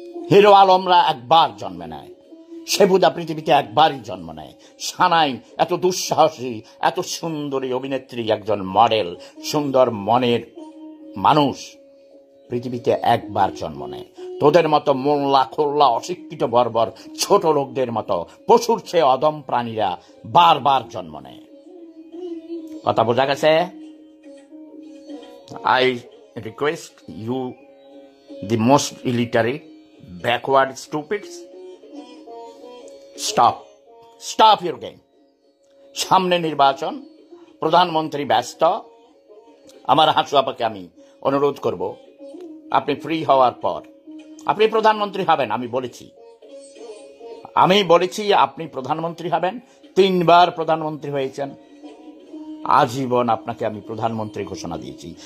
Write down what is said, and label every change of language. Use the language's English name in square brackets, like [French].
[Bangla] Hero আলমরা একবার জন্ম নেয়, সেফুদা পৃথিবীতে একবারই জন্ম নেয়, সানাই এত দুঃসাহসী, এত সুন্দরী অভিনেত্রী, একজন মডেল, সুন্দর মনের মানুষ পৃথিবীতে একবার জন্ম নেয়। তোদের মতো মোল্লা খোল্লা অশিক্ষিত বর্বর ছোট লোকদের মতো পশুর চেয়ে অদম প্রাণীরা বারবার জন্ম নেয়। কথা বোঝা গেছে? [English] I request you, the most illiterate, backward stupids, stop, stop your game. [Bangla] সামনে নির্বাচন, প্রধানমন্ত্রী ব্যস্ত, আমার হাসুয়াপাকে আমি অনুরোধ করব, আপনি ফ্রি হওয়ার পর, আপনি প্রধানমন্ত্রী হবেন, আমি বলেছি, আমি বলেছি আপনি প্রধানমন্ত্রী হবেন, তিনবার প্রধানমন্ত্রী হয়েছেন, আজীবন আপনাকে আমি প্রধানমন্ত্রী ঘোষণা দিয়েছি।